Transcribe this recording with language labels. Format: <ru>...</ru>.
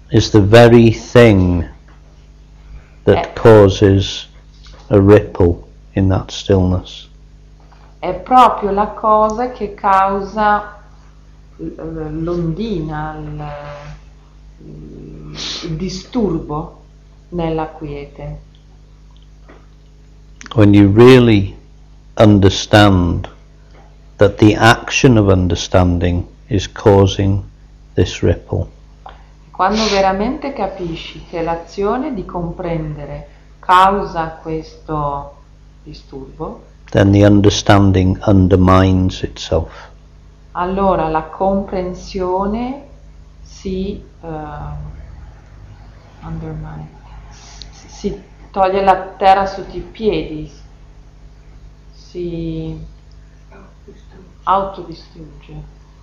<en>is the very thing that causes a ripple in that stillness.</en> <it>È proprio la cosa che causa l'ondina, il disturbo nella quiete.</it> <en>When you really understand that the action of understanding is causing this ripple.</en> <it>Quando veramente capisci che l'azione di comprendere causa questo disturbo,</it> <en>then the understanding undermines itself.</en> <it>Allora la comprensione si undermine, si toglie la terra sotto i piedi, si autodistrugge.</it>